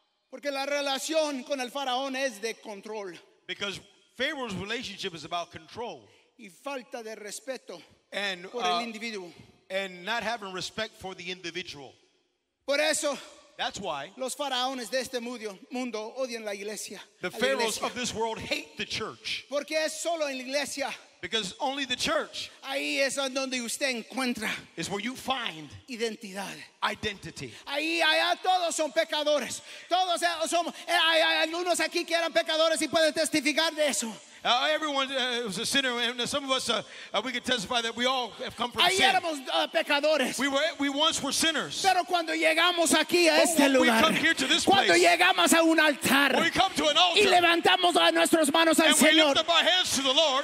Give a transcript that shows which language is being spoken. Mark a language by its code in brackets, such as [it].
[es] Porque la relación con el faraón es de control. [en] Because Pharaoh's relationship is about control. [es] Y falta de respeto [en] and, [es] por el individuo. [en] And not having respect for the individual. [es] Por eso. [en] That's why [es] los faraones de este mundo odian la iglesia. [en] The pharaohs of this world hate the church. [es] Porque es solo en la iglesia. [en] Because only the church [es] ahí es donde usted encuentra [en] is where you find [es] identidad. [en] Identity. [es] Ahí allá todos son pecadores. Todos somos, hay algunos aquí que eran pecadores y pueden testificar de eso. [en] Everyone was a sinner, and some of us, we could testify that we all have come from [es] ahí [en] sin. [es] Éramos, pecadores. [en] We once were sinners. [es] Pero cuando llegamos aquí a este lugar, [en] when we come here to this [es] cuando [en] place, [es] llegamos a un altar, [en] when we come to an altar, [es] y levantamos a nuestras manos al [en] and [es] Señor, [en] we lift up our hands to the Lord,